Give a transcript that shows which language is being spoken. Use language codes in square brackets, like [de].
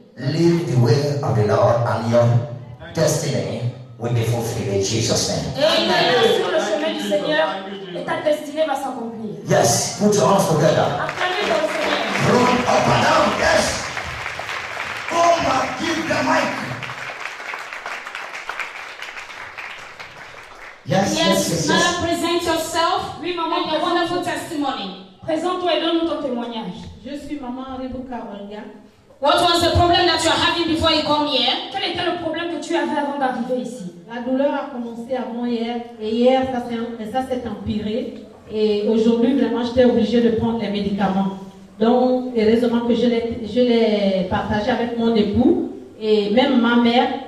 [en] Live the way of the Lord and your destiny will be fulfilled in Jesus' name. Amen. [fr] Sur le chemin du Seigneur et ta destinée va s'accomplir. [en] Yes. Put your hands together. [fr] Acclamez dans le Seigneur. [en] Run up and down. Yes. Come and give the mic. Yes, Mother, yes. Present yourself. [fr] Oui, maman, [en] and your wonderful testimony. [fr] Présente-toi et donne-nous ton témoignage. Je suis maman Rebecca Wanga. [en] What was the problem that you are having before you come here? [fr] Quel était le problème que tu avais avant d'arriver ici? La douleur a commencé avant hier et hier ça s'est empiré et aujourd'hui vraiment j'étais obligée de prendre les médicaments. Donc heureusement que je l'ai partagé avec mon époux et même ma mère.